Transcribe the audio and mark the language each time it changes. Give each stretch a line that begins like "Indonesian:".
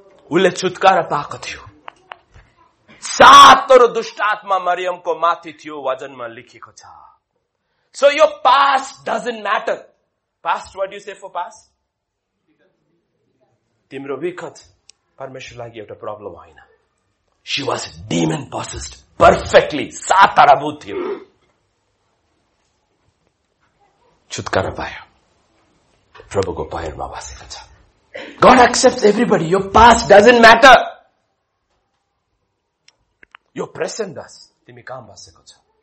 Nepali: उसले छुटकारा पाएको थियो. सातवटा दुष्ट आत्मा मरियमको माथि थियो, वजनमा लेखेको छ.
English: So यो past doesn't matter. Past, what you say for past?
Nepali: तिम्रो विकट परमेश्वर लागि एउटा प्रब्लम होइन.
English: She was demon possessed perfectly.
Nepali: सात तारा भूत थियो, छुटकारा पायो, प्रभुको पैरमा बसेको छ.
English: God accepts everybody. Your past doesn't matter, your present does.
Nepali: तिमी कहाँ बसेको छ?